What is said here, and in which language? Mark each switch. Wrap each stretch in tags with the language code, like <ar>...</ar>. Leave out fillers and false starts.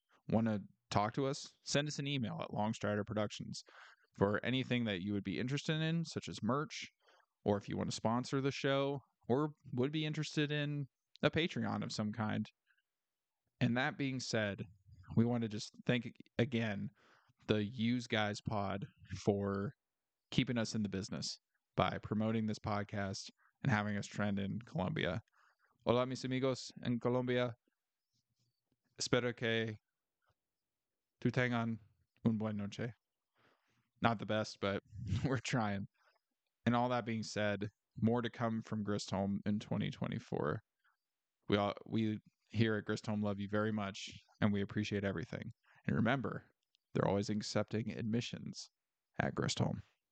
<en>Want to talk to us? Send us an email at Longstrider Productions for anything that you would be interested in, such as merch, or if you want to sponsor the show, or would be interested in a Patreon of some kind. And that being said, we want to just thank again the Use Guys Pod for keeping us in the business by promoting this podcast and having us trend in Colombia.</en> <es>Hola, mis amigos en Colombia. Espero que tú tengan un buen noche.</es> <en>Not the best, but we're trying. And all that being said, more to come from Gristholm in 2024. Here at Gristholm, love you very much, and we appreciate everything. And remember, they're always accepting admissions at Gristholm.</en>